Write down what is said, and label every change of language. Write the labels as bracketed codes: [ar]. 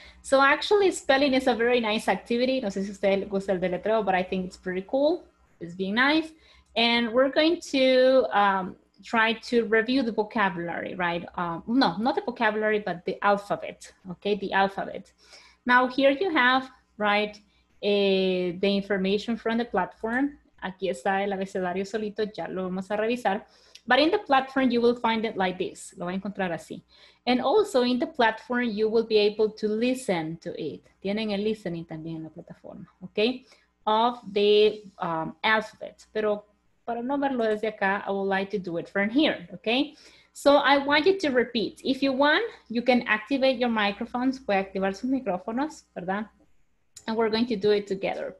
[en] So actually, spelling is a very nice activity. [es] No sé si usted le gusta el deletreo, [en] but I think it's pretty cool. It's being nice. And we're going to try to review the vocabulary, right? No, not the vocabulary, but the alphabet, okay? The alphabet. Now here you have, right, the information from the platform. [es] Aquí está el abecedario solito, ya lo vamos a revisar. [en] But in the platform, you will find it like this. [es] Lo va a encontrar así. [en] And also in the platform, you will be able to listen to it. [es] Tienen el listening también en la plataforma, ¿ok? [en] Of the alphabet. [es] Pero para no verlo desde acá, [en] I would like to do it from here, ¿ok? So I want you to repeat. If you want, you can activate your microphones. [es] Voy a activar sus micrófonos, ¿verdad? [en] And we're going to do it together.